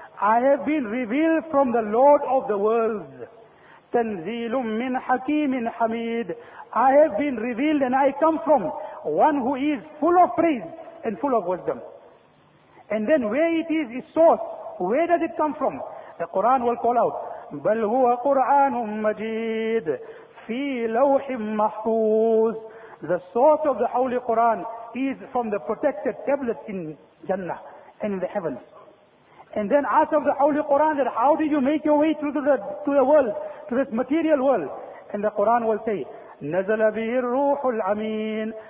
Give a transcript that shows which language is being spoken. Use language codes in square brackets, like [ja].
[en] I have been revealed from the Lord of the worlds. [ar] تَنْزِيلٌ مِّن حَكِيمٍ حَمِيدٍ. [en] I have been revealed and I come from one who is full of praise and full of wisdom. And then where it is, its source, where does it come from? The Quran will call out, [ar] بَلْ هُوَ قُرْآنٌ مَّجِيدٌ فِي لَوْحٍ مَّحْفُوظٍ. [en] The source of the Holy Quran is from the protected tablet in Jannah and in the heavens. And then ask of the Holy Quran that how do you make your way through to the world, to this material world? And the Quran will say, [ar] نَزَلَ بِهِ الرُّوحُ الْعَمِينُ.